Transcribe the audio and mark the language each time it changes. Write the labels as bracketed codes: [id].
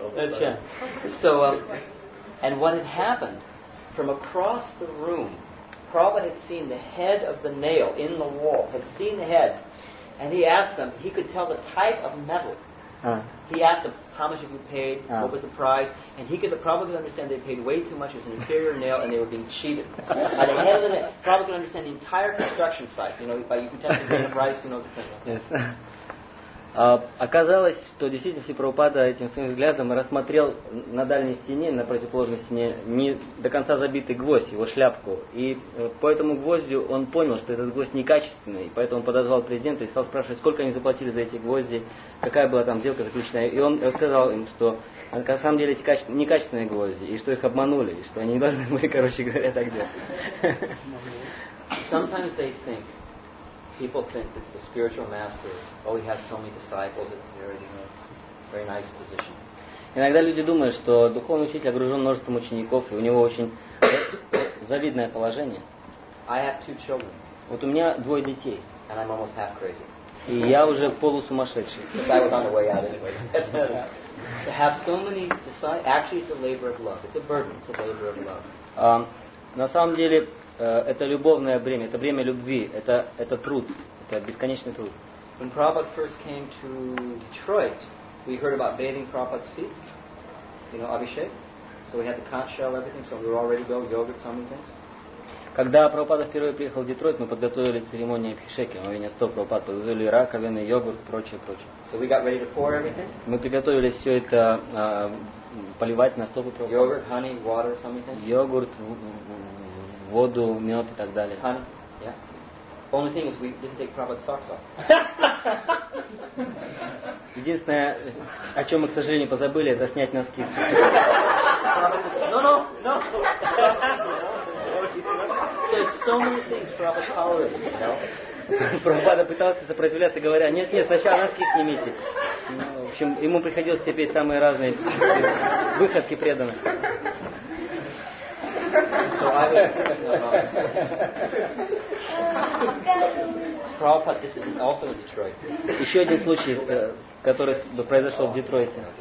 [en] That's so, and what had happened, from across the room, Prabhupada had seen the head of the nail in the wall, had seen the head, and he asked them, he could tell the type of metal. He asked them, how much have you paid? What was the price? And he could probably understand they paid way too much. It was an inferior nail and they were being cheated. And the head of the nail, probably could understand the entire construction site. You know, if you can tell the grain of rice, you know the thing. Yes. [ru] Оказалось, что действительно если Прабхупада этим своим взглядом рассмотрел на дальней стене, на противоположной стене, не до конца забитый гвоздь, его шляпку, и по этому гвоздю он понял, что этот гвоздь некачественный, поэтому он подозвал президента и стал спрашивать, сколько они заплатили за эти гвозди, какая была там сделка заключена, и он сказал им, что на самом деле эти некачественные гвозди, и что их обманули, и что они не должны были, короче говоря, так делать. [en] People think that the spiritual master, oh, he has so many disciples, it's very, you know, very nice position. [ru] Иногда люди думают, что духовный учитель окружен множеством учеников, и у него очень завидное положение. [en] I have two children. [ru] Вот у меня двое детей. [en] And I'm almost half crazy. [ru] И я уже полусумасшедший. [en] I was on the way out anyway. To have so many disciples, actually it's a labor of love. It's a burden, it's a labor of love. [ru] На самом деле, это любовное бремя, это бремя любви, это труд, это бесконечный труд. [en] When Prabhupada first came to Detroit, we heard about bathing Prabhupada's feet, you know, Abhishek. So we had the conch shell, everything, so we were all ready to go, yogurt, so many things. [ru] Когда Прабхупада впервые приехал в Детройт, мы подготовили церемонию Абхишеки, омовение стоп Прабхупады, подготовили раковины, йогурт, прочее, прочее. [en] So we got ready to pour everything. [ru] Мы приготовили все это поливать на стопы Прабхупады. [en] Yogurt, honey, water, so many things. [ru] Йогурт, воду, мед и так далее. [en] Honey, yeah. Only thing is we didn't take Prabhupada's socks off. [ru] Единственное, о чем мы, к сожалению, позабыли, это снять носки. [en] No. So many things Prabhupada tolerated, you know. [ru] Прабхупада пытался сопротивляться, говоря, нет, сначала носки снимите. В общем, ему приходилось терпеть самые разные выходки преданных. [en] So I was Prabhupada, this is also in Detroit. [ru] Еще один случай, который произошел в Детройте.